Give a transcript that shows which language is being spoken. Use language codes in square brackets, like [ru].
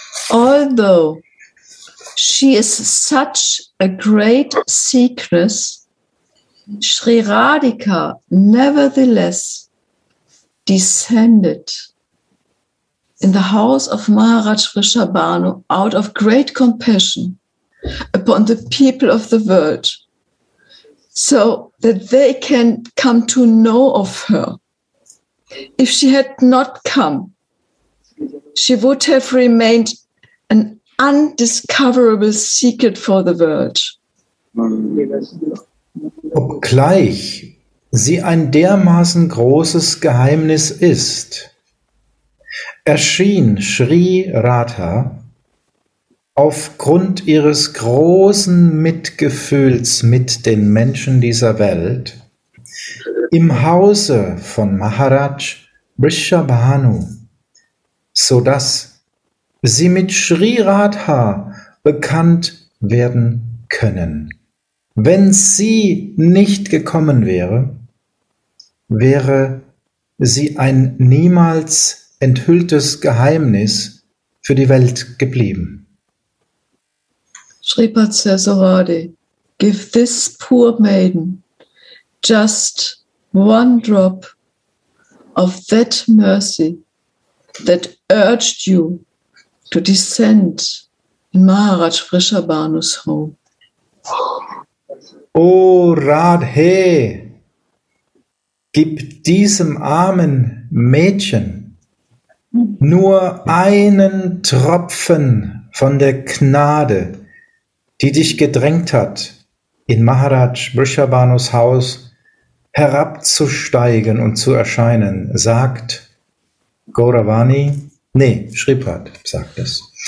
[en] Although she is such a great secret, Sri Radhika nevertheless descended in the house of Maharaj Vrishabhanu out of great compassion upon the people of the world, so that they can come to know of her. If she had not come, she would have remained an undiscoverable secret for the world. [de] Obgleich sie ein dermaßen großes Geheimnis ist, erschien Sri Radha aufgrund ihres großen Mitgefühls mit den Menschen dieser Welt im Hause von Maharaj Vrishabhanu, sodass sie mit Sri Radha bekannt werden können. Wenn sie nicht gekommen wäre, wäre sie ein niemals enthülltes Geheimnis für die Welt geblieben. [en] Sri Patsasarade, give this poor maiden just one drop of that mercy that urged you to descend in Maharaj Vrishabhanu's home. [de] O Radhe, gib diesem armen Mädchen nur einen Tropfen von der Gnade, die dich gedrängt hat, in Maharaj Vrishabhanus Haus herabzusteigen und zu erscheinen, sagt Gauravani, nee, Shripad sagt es.